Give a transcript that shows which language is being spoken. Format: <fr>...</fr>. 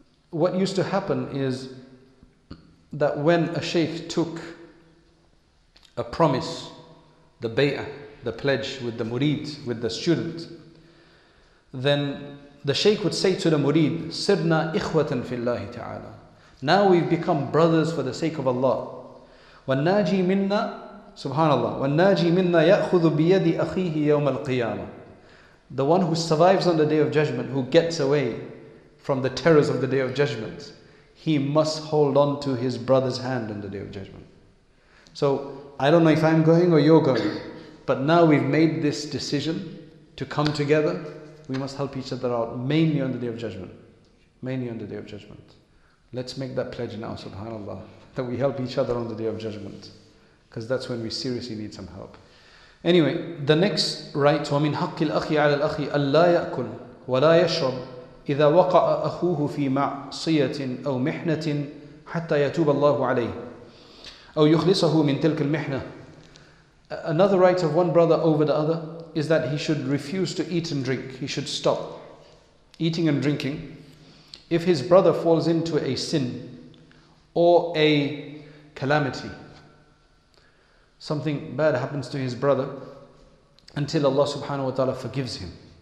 <en>What used to happen is that when a Sheikh took a promise, the bay'ah, the pledge with the murid, with the student, then the Sheikh would say to the murid,</en> <ar>Sirna ikhwatan fillahi ta'ala.</ar> <en>Now we've become brothers for the sake of Allah.</en> <ar>وَالنَّاجِي مِنَّا Subhanallah. وَالنَّاجِي مِنَّا يَأْخُذُ بِيَدِ أَخِيهِ يَوْمَ الْقِيَامَةِ.</ar> <en>The one who survives on the Day of Judgment, who gets away from the terrors of the Day of Judgment, he must hold on to his brother's hand on the Day of Judgment. So, I don't know if I'm going or you're going, but now we've made this decision to come together, we must help each other out, mainly on the Day of Judgment. Mainly on the Day of Judgment. Let's make that pledge now, subhanAllah, that we help each other on the Day of Judgment. Because that's when we seriously need some help. Anyway, the next right,</en> <ar>وَمِنْ حَقِّ الْأَخِي عَلَى الْأَخِي أَلَّا يَأْكُلْ وَلَا يَشْرَبْ إِذَا وَقَعَ أَخُوهُ فِي مَعْصِيَةٍ أَوْ مِحْنَةٍ حَتَّى يَتُوبَ اللَّهُ عَلَيْهِ أَوْ يُخْلِصَهُ مِنْ تِلْكَ الْمِحْنَةِ.</ar> <en>Another right of one brother over the other is that he should refuse to eat and drink. He should stop eating and drinking if his brother falls into a sin or a calamity. Something bad happens to his brother until Allah subhanahu wa ta'ala forgives him.</en>